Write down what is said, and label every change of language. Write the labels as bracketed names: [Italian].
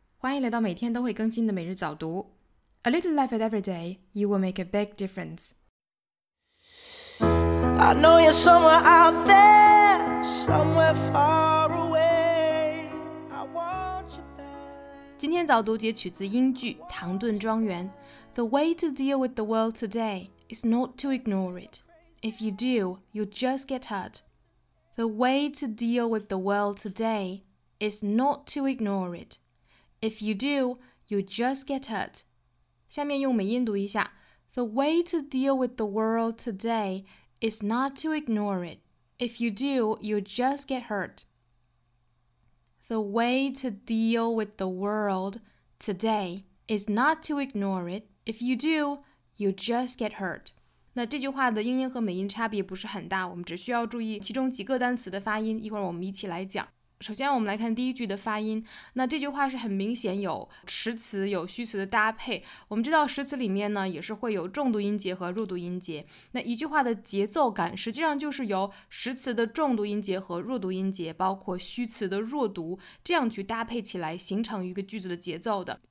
[Chinese] 欢迎来到每天都会更新的每日早读。 [English] A little life at every day, you will make a big difference. I know you're somewhere out there, somewhere far away. I want you back. [Chinese] 今天早读截取自英剧《唐顿庄园》。 [English] The way to deal with the world today is not to ignore it. If you do, you'll just get hurt. The way to deal with the world today. Is not to ignore it. If you do, you just get hurt. [Chinese] 下面用美音读一下。 [English] The way to deal with the world today is not to ignore it. If you do, you just get hurt. The way to deal with the world today is not to ignore it. If you do, you just get hurt. [Chinese] 那这句话的英音和美音差别不是很大，我们只需要注意其中几个单词的发音，一会儿我们一起来讲。首先我们来看第一句的发音，那这句话是很明显有实词有虚词的搭配，我们知道实词里面呢也是会有重读音节和弱读音节，那一句话的节奏感实际上就是由实词的重读音节和弱读音节包括虚词的弱读这样去搭配起来形成一个句子的节奏的。